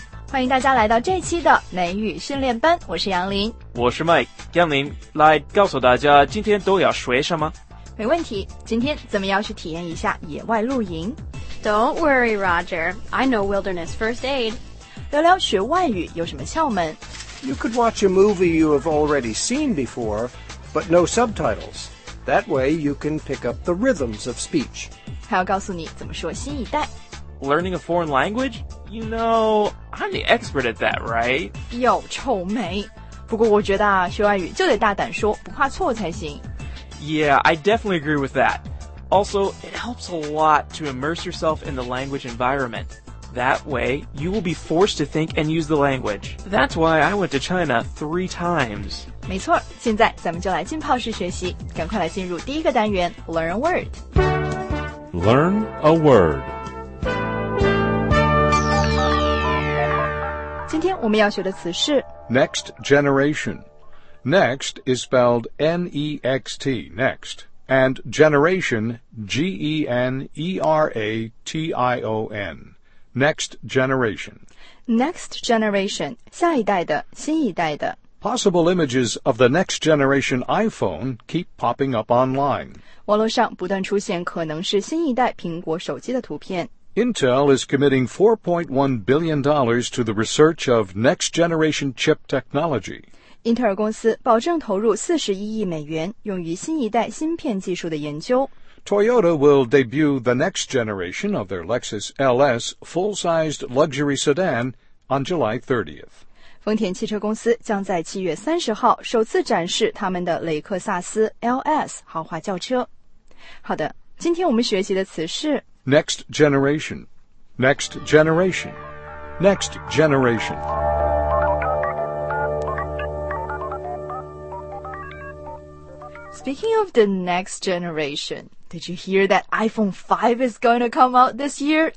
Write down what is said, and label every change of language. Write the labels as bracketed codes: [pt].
[zh] 欢迎大家来到这期的美语训练班，我是杨林，我是 Mike。杨林，来告诉大家今天都要学什么。没问题，今天咱们要去体验一下野外露营。 [en] Don't worry Roger, I know wilderness first aid。 [zh] 聊聊学外语有什么窍门。 [en] You could watch a movie you have already seen before, but no subtitles. That way you can pick up the rhythms of speech. [zh] 还要告诉你怎么说新一代。 [en] Learning a foreign language? You know, I'm the expert at that, right? [zh] 哟，臭美。不过我觉得啊，学外语就得大胆说，不怕错才行。 [en] Yeah, I definitely agree with that. Also, it helps a lot to immerse yourself in the language environment. That way, you will be forced to think and use the language. That's why I went to China 3 times. [zh] 没错，现在咱们就来浸泡式学习，赶快来进入第一个单元 , [en] Learn a Word. Learn a Word. [zh] 今天我们要学的词是 [en] Next generation. Next is spelled N-E-X-T, next. And generation, G-E-N-E-R-A-T-I-O-N. Next generation. Next generation, [zh] 下一代的，新一代的。 [en] Possible images of the next generation iPhone keep popping up online. [zh] 网络上不断出现可能是新一代苹果手机的图片。 [en] Intel is committing $4.1 billion to the research of next-generation chip technology. [zh] Intel 公司保证投入41亿美元用于新一代芯片技术的研究。 [en] Toyota will debut the next generation of their Lexus LS full-sized luxury sedan on July 30th. [zh] 丰田汽车公司将在7月30号首次展示他们的雷克萨斯 LS 豪华轿车。好的，今天我们学习的词是 [en] Next generation, next generation, next generation. Speaking of the next generation, did you hear that iPhone 5 is going to come out this year?